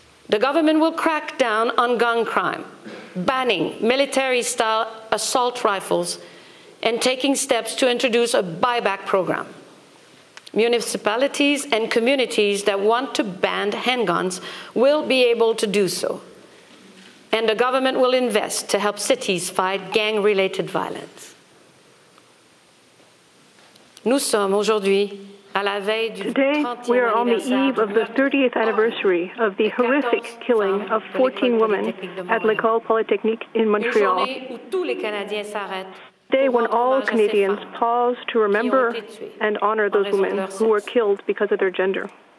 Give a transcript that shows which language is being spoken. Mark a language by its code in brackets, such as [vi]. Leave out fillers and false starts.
[en] The government will crack down on gun crime, banning military-style assault rifles and taking steps to introduce a buyback program. Municipalities and communities that want to ban handguns will be able to do so. And the government will invest to help cities fight gang-related violence. [fr] Nous sommes aujourd'hui à la veille du 30e [en] Today, we are on the eve of the 30th anniversary of the horrific killing of 14 women at L'École Polytechnique in Montreal. Day when all Canadians pause to remember and honor those women who were killed because of their gender.